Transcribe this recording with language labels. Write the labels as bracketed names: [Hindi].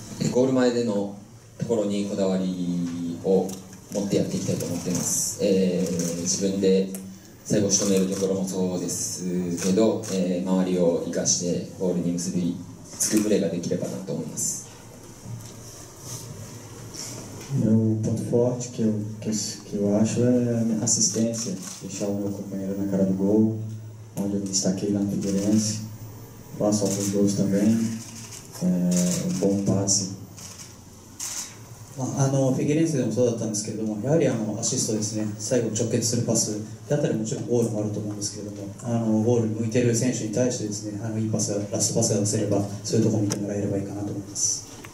[Japanese] ゴール前でのところにこだわりを持ってやっていきたいと思っています、自分で最後仕留めるところもそうですけど、周りを生かしてゴールに結びつくプレーができればなと思います。 [Portuguese] Meu ponto forte que eu acho é a minha assistência, deixar o meu companheiro na cara do gol, onde eu me destaquei lá no Figueirense. Faço alguns gols também, um bom passe. [Japanese] Figueirense でもそうだったんですけれども、やはりアシストですね、最後直結するパスだったらもちろんゴールもあると思うんですけれども、ゴール向いている選手に対してですね、いいパスが、ラストパスが出せれば、そういうところを見てもらえればいいかなと思います。